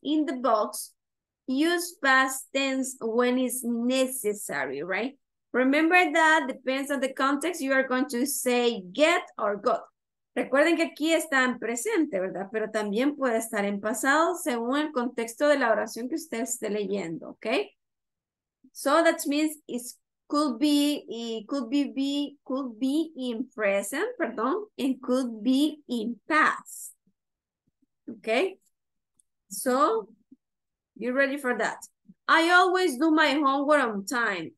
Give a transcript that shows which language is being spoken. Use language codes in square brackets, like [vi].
[en] In the box, use past tense when it's necessary, right? Remember that depends on the context you are going to say get or got. [es] Recuerden que aquí está en presente, ¿verdad? Pero también puede estar en pasado según el contexto de la oración que usted esté leyendo, ¿ok? [en] So that means it could be in present, [es] perdón, [en] and could be in past, ¿ok? So, you ready for that? I always do my homework on time.